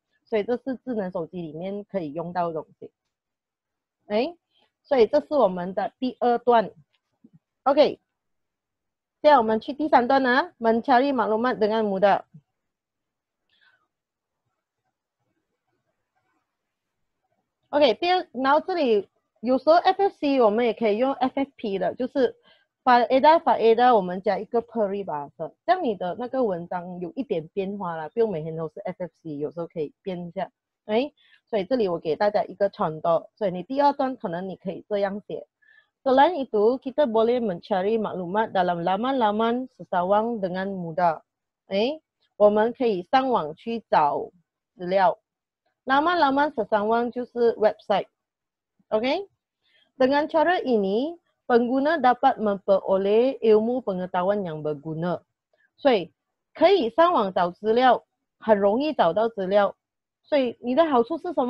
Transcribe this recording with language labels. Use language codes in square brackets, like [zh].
[ms] So, ini adalah perkara yang boleh digunakan dalam handphone smart. So, ini adalah kedua bahagian kita. Okay. Sekarang kita pergi ke tiga bahagian. Mencari maklumat dengan mudah. [zh] OK， 然后这里有时候 FFC 我们也可以用 FFP 的，就是 FAEDA 我们加一个 PERIBAS，这样你的那个文章有一点变化了，不用每天都是 FFC， 有时候可以变一下。哎，所以这里我给大家一个传达，所以你第二段可能你可以这样写 ： [ms] Selain itu kita boleh mencari maklumat dalam laman-laman sesawang dengan mudah。 [zh] 哎，我们可以上网去找资料。 [ms] Laman-laman sesawang itu website. Okay? Dengan cara ini, pengguna dapat memperoleh ilmu pengetahuan yang berguna. Jadi, boleh mencari laman-laman, mudah mencari laman-laman. Jadi, apa kelebihannya? Anda boleh mempunyai banyak ilmu, banyak pelajaran, bukan?